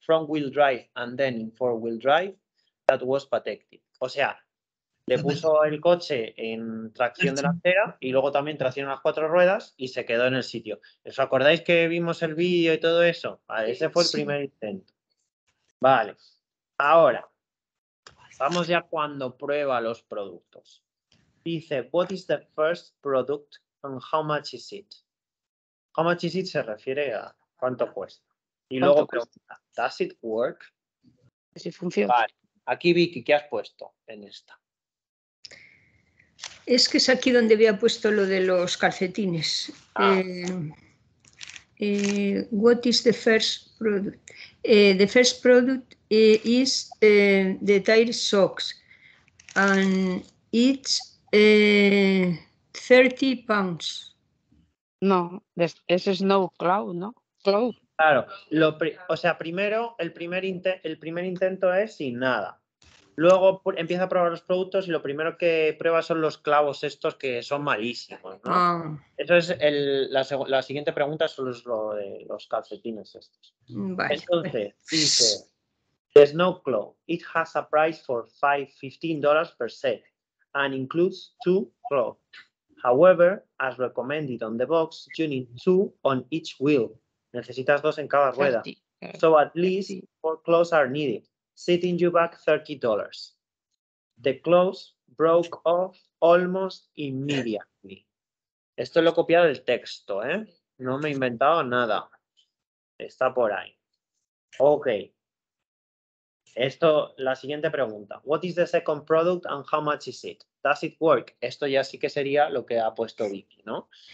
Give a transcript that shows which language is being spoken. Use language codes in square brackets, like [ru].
[en] Front wheel drive and then in four wheel drive, that was patented. [es] O sea, le puso el coche en tracción delantera y luego también tracción a las cuatro ruedas y se quedó en el sitio. ¿Os acordáis que vimos el vídeo y todo eso? Vale, ese fue el primer intento. Vale, ahora, vamos ya cuando prueba los productos. [en] dice, what is the first product and how much is it? How much is it [es] se refiere a cuánto cuesta. Y ¿cuánto luego pregunta, [en] does it work? [es] Si funciona. Vale. Aquí, Vicky, ¿qué has puesto en esta? Es que es aquí donde había puesto lo de los calcetines. Ah. [en] What is the first product? The first product is the tire socks. And it's 30 pounds. [es] No, ese es no cloud, ¿no? Cloud. Claro, el primer intento es sin nada. Luego empieza a probar los productos y lo primero que prueba son los clavos estos que son malísimos, ¿no? Ah. Eso es la siguiente pregunta, son los calcetines estos. Vale. Entonces, dice, [en] the snow cloud, it has a price for $15 per set and includes two cloths. However, as recommended on the box, you need two on each wheel. [es] Necesitas dos en cada rueda. [en] So at least four clothes are needed, setting you back $30. The clothes broke off almost immediately. [es] Esto lo he copiado del texto, ¿eh? No me he inventado nada. Está por ahí. Ok. Esto, la siguiente pregunta. [en] What is the second product and how much is it? Does it work? [es] Esto ya sí que sería lo que ha puesto Vicky, ¿no?